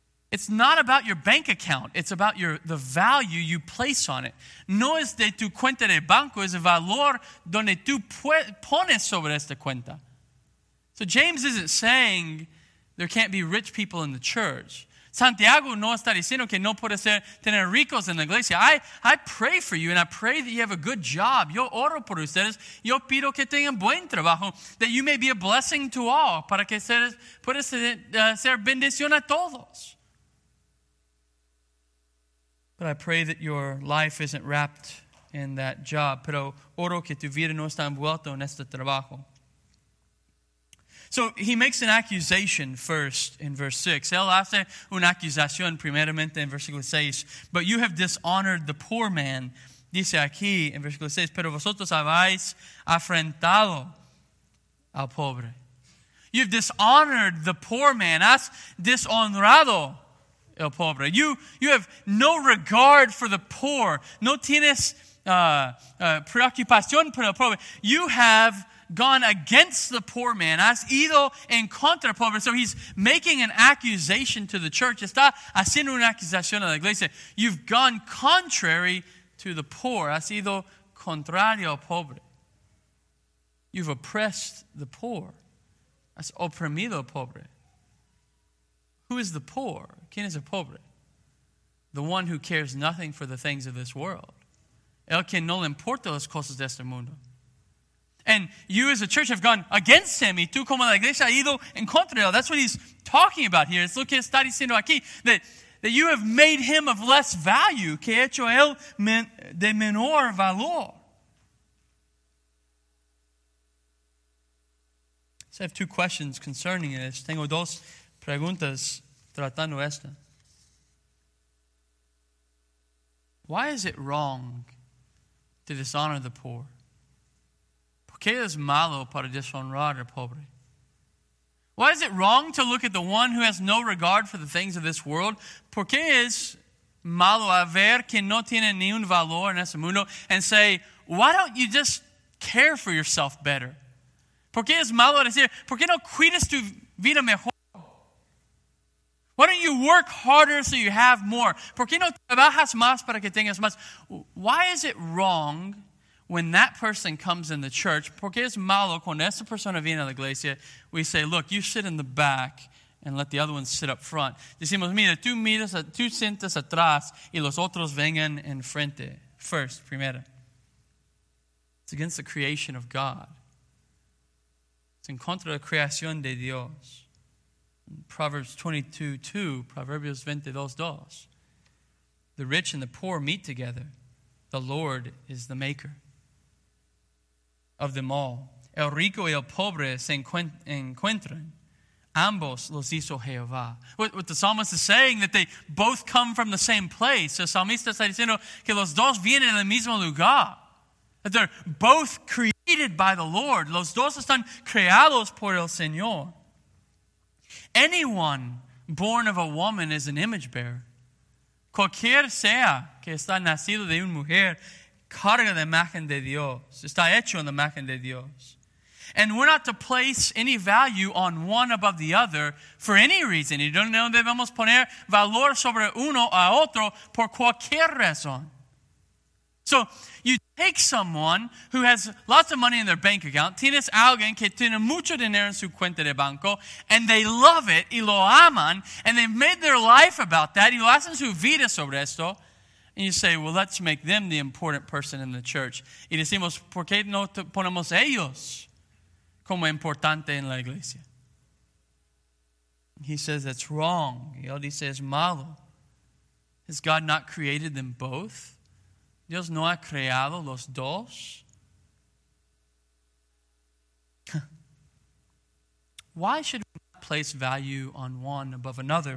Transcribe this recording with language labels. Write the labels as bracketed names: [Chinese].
[English] It's not about your bank account. It's about the value you place on it. [Spanish] No es de tu cuenta de banco. Es el valor donde tú pones sobre esta cuenta. [English] So James isn't saying there can't be rich people in the church. [Spanish] Santiago no está diciendo que no puede ser tener ricos en la iglesia. [English] I pray for you and I pray that you have a good job. [Spanish] Yo oro por ustedes. Yo pido que tengan buen trabajo. [English] That you may be a blessing to all. [Spanish] Para que puedas ser bendición a todos. [English] But I pray that your life isn't wrapped in that job. [Spanish] Pero oro que tu vida no está envuelta en este trabajo. [English] So he makes an accusation first in verse 6. [Spanish] Él hace una acusación primeramente en versículo 6. [English] But you have dishonored the poor man. [Spanish] Dice aquí en versículo 6. Pero vosotros habéis afrentado al pobre. [English] You've dishonored the poor man. [Spanish] Has deshonrado el pobre. [English] You have no regard for the poor. [Spanish] No tienes preocupación por el pobre. [English] You have gone against the poor man. [Spanish] Has ido en contra del pobre. [English] So he's making an accusation to the church. [Spanish] Está haciendo una acusación a la iglesia. [English] You've gone contrary to the poor. [Spanish] Has ido contrario al pobre. [English] You've oppressed the poor. [Spanish] Has oprimido al pobre. [English] Who is the poor? [Spanish] ¿Quién es el pobre? [English] The one who cares nothing for the things of this world. [Spanish] El que no le importa las cosas de este mundo. [English] And you as a church have gone against him. [Spanish] Y tú como la iglesia ha ido en contra de él. [English] That's what he's talking about here. [Spanish] Es lo que está diciendo aquí. [English] That you have made him of less value. [Spanish] Que ha hecho él de menor valor. [English] So I have two questions concerning this. [Spanish] Tengo dos preguntas tratando esta. [English] Why is it wrong to dishonor the poor? [Spanish] ¿Qué es malo para deshonrar al pobre? [English] Why is it wrong to look at the one who has no regard for the things of this world? [Spanish] ¿Por qué es malo a ver quien no tiene ni un valor en ese mundo? [English] And say, why don't you just care for yourself better? [Spanish] ¿Por qué es malo decir, por qué no cuidas tu vida mejor? [English] Why don't you work harder so you have more? [Spanish] ¿Por qué no trabajas más para que tengas más? [English] Why is it wrong when that person comes in the church, [Spanish] porque es malo cuando esa persona viene a la iglesia, [English] we say, look, you sit in the back and let the other one sit up front. [Spanish] Decimos, mira, tú sientas atrás y los otros vengan en frente. [English] First, [Spanish] primera. [English] It's against the creation of God. [Spanish] It's en contra de la creación de Dios. Proverbios 22:2. [English] The rich and the poor meet together. The Lord is the maker. of them all. [Spanish] El rico y el pobre se encuentran. Ambos los hizo Jehová. [English] What the psalmist is saying that they both come from the same place. [Spanish] El salmista está diciendo que los dos vienen del mismo lugar. [English] That they're both created by the Lord. [Spanish] Los dos están creados por el Señor. [English] Anyone born of a woman is an image bearer. [Spanish] Cualquier sea que está nacido de una mujer, carga la imagen de Dios. Está hecho en la imagen de Dios. [English] And we're not to place any value on one above the other for any reason. [Spanish] Y no debemos poner valor sobre uno a otro por cualquier razón. [English] So you take someone who has lots of money in their bank account, [Spanish] tienes alguien que tiene mucho dinero en su cuenta de banco, [English] and they love it [Spanish] y lo aman, [English] and they've made their life about that [Spanish] y lo hacen su vida sobre esto. [English] And you say, well, let's make them the important person in the church. [Spanish] Y decimos, ¿por qué no te ponemos ellos como importante en la iglesia? [English] He says that's wrong. [Spanish] Y él dice, es malo. [English] Has God not created them both? [Spanish] ¿Dios no ha creado los dos? [English] Why should we not place value on one above another?